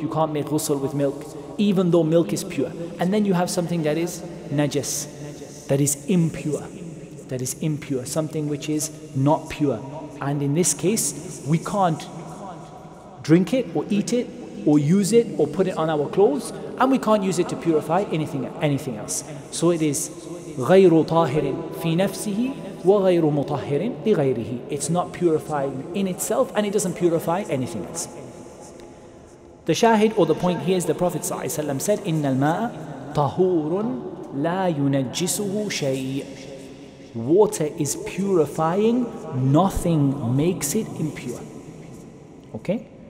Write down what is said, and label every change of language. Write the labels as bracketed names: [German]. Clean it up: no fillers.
[English] You can't make ghusl with milk, even though milk is pure. And then you have something that is najis, that is impure. That is impure, something which is not pure. And in this case, we can't drink it or eat it or use it or put it on our clothes, and we can't use it to purify anything else. So it is [Arabic] غير طاهر في نفسه وغير مطهر لغيره. [English] It's not purifying in itself, and it doesn't purify anything else. The shahid, or the point here, is the Prophet ﷺ said, [Arabic] إن الماء طهور لا ينجسه شيء. [English] Water is purifying, nothing makes it impure. Okay?